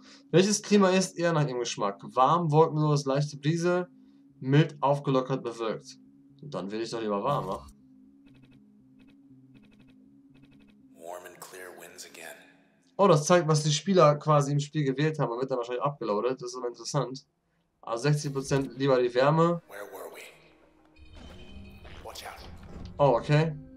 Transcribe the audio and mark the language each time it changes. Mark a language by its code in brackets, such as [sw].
[de] Welches Klima ist eher nach ihrem Geschmack? Warm, wolkenlos, leichte Brise, mild, aufgelockert, bewölkt. Und dann will ich doch lieber warm, ach. [en] Warm and clear winds again. [de] Oh, das zeigt, was die Spieler quasi im Spiel gewählt haben. Man wird dann wahrscheinlich abgeloadet. Das ist aber interessant. Also 60% lieber die Wärme. [en] Where were we? Watch out. Oh, okay.